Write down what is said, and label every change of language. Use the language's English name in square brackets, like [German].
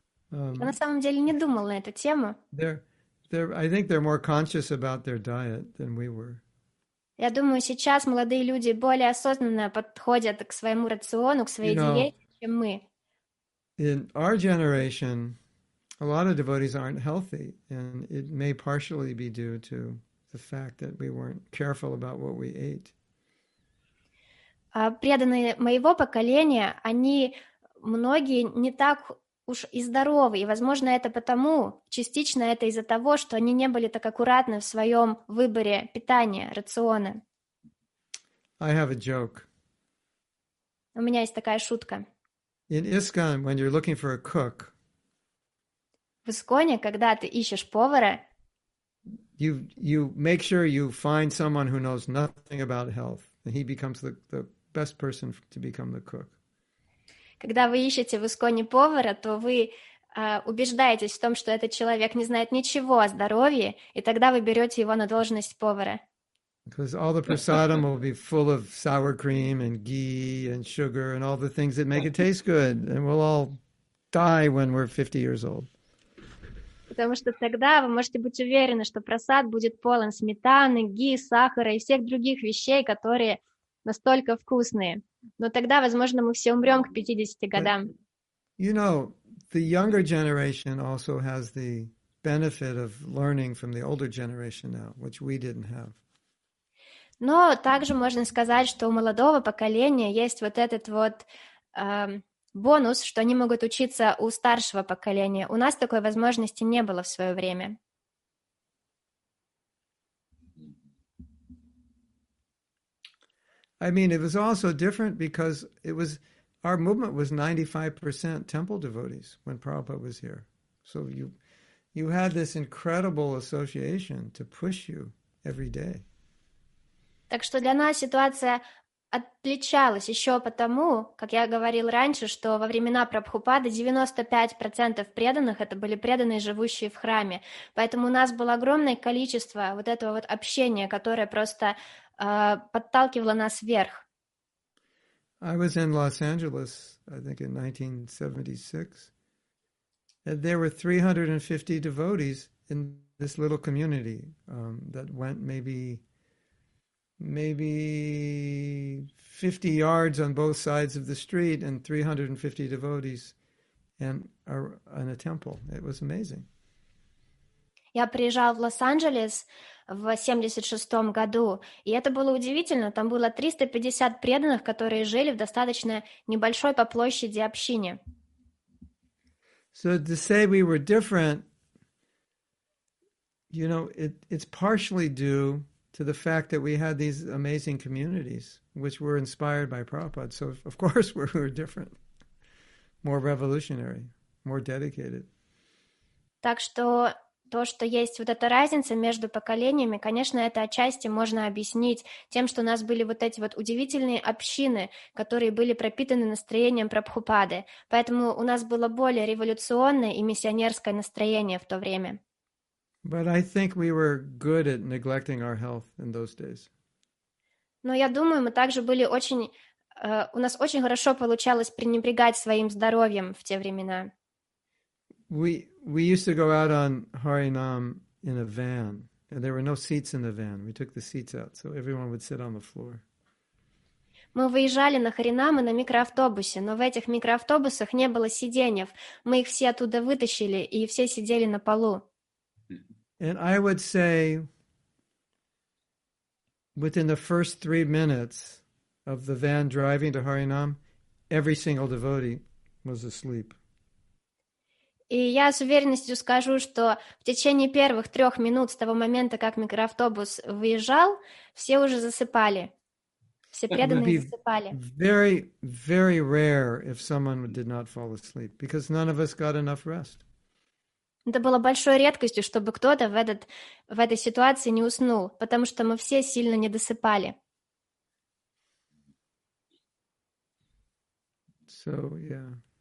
[Russian] На самом деле не думал на эту тему. [English] I think they're more conscious about their diet than we were. [Russian] Я думаю, сейчас молодые люди более осознанно подходят к своему рациону, к своей диете, чем мы. [English] In our generation, a lot of devotees aren't healthy, and it may partially be due to the fact that we weren't careful about what we ate. [Russian] Преданные моего поколения, они многие не так уж и здоровы, и, возможно, это потому, частично это из-за того, что они не были так аккуратны в своем выборе питания, рациона. [English] I have a joke. [Russian] У меня есть такая шутка. [English] In ISKCON, when you're looking for a cook, [Russian] в ИСКОНе, когда ты ищешь повара, [English] you make sure you find someone who knows nothing about health, and he becomes the best person to become the cook. [Russian] Когда вы ищете в ИСКОНе повара, то вы убеждаетесь в том, что этот человек не знает ничего о здоровье, и тогда вы берете его на должность повара. [English] Because all the prasadam will be full of sour cream and ghee and sugar and all the things that make it taste good, and we'll all die when we're 50 years old. [Russian] Потому что тогда вы можете быть уверены, что просад будет полон сметаны, ги, сахара и всех других вещей, которые настолько вкусные. Но тогда, возможно, мы все умрем к 50 годам. [English] But, you know, the younger generation also has the benefit of learning from the older generation now, which we didn't have. [Russian] Но также можно сказать, что у молодого поколения есть вот этот вот бонус, что они могут учиться у старшего поколения. У нас такой возможности не было в свое время. [English] I mean, it was also different because it was our movement was 95% temple devotees when Prabhupada was here. So you had this incredible association to push you every day. [Russian] Так что для нас ситуация отличалась еще потому, как я говорил раньше, что во времена Прабхупады 95% преданных — это были преданные, живущие в храме. Поэтому у нас было огромное количество вот этого вот общения, которое просто подталкивало нас вверх. [English] I was in Los Angeles, I think in 1976, and there were 350 devotees in this little community that went maybe 50 yards on both sides of the street and 350 devotees in a temple. It was amazing. [Russian] Я приезжал в Лос-Анджелес в 76-м году, и это было удивительно. Там было 350 преданных, которые жили в достаточно небольшой по площади общине. [English] So to say we were different, you know, it's partially due to the fact that we had these amazing communities, which were inspired by Prabhupada. So, of course, we're different, more revolutionary, more dedicated. [Russian] Так что то, что есть вот эта разница между поколениями, конечно, это отчасти можно объяснить тем, что у нас были вот эти вот удивительные общины, которые были пропитаны настроением Прабхупады. Поэтому у нас было более революционное и миссионерское настроение в то время. [English] But I think we were good at neglecting our health in those days. [Russian] Но я думаю, мы также были очень, у нас очень хорошо получалось пренебрегать своим здоровьем в те времена. [English] We used to go out on Harinam in a van, and there were no seats in the van. We took the seats out, so everyone would sit on the floor. [Russian] Мы выезжали на Харинамы на микроавтобусе, но в этих микроавтобусах не было сиденья. Мы их все оттуда вытащили, и все сидели на полу. [English] And I would say, within the first 3 minutes of the van driving to Harinam, every single devotee was asleep. [Russian] И я с уверенностью скажу, что в течение первых 3 минут с того момента, как микроавтобус выезжал, все уже засыпали. Все преданные засыпали. [English] Very, very rare if someone did not fall asleep, because none of us got enough rest. [Russian] Это было большой редкостью, чтобы кто-то в этой ситуации не уснул, потому что мы все сильно не досыпали. [English] So, yeah.